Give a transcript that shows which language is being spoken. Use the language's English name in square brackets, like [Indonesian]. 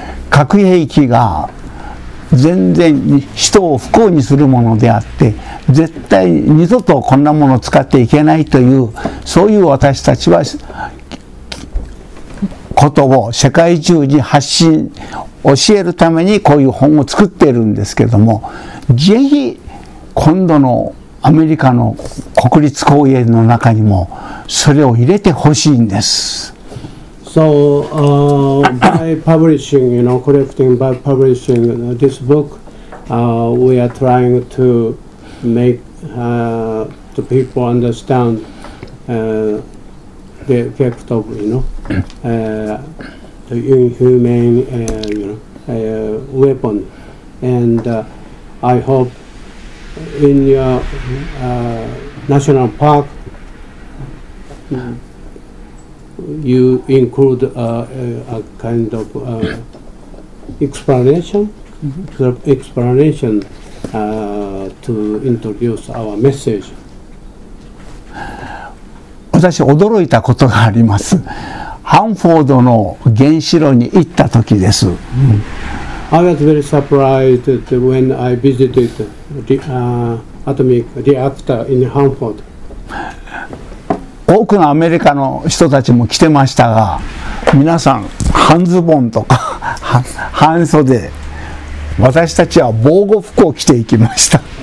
[Japanese] 核兵器が全然人を不幸にするものであって、絶対二度とこんなものを使っていけないというそういう私たちはことを世界中に発信。教えるためにこういう本を作っているんですけども、ぜひ今度のアメリカの国立公園の中にもそれを入れてほしいんです。 [English] So by publishing, you know, collecting by publishing this book, we are trying to make the people understand the effect of, you know, the inhumane, you know,weapon, and I hope in your national park you include a kind of explanation to introduce our message. [Japanese] 私驚いたことがあります。ハンフォードの原子炉に行った時です。 [English] I was very surprised when I visited the atomic reactor in Hanford. [Japanese] 多くのアメリカの人たちも来てましたが、皆さん半ズボンとか半袖、私たちは防護服を着て行きました。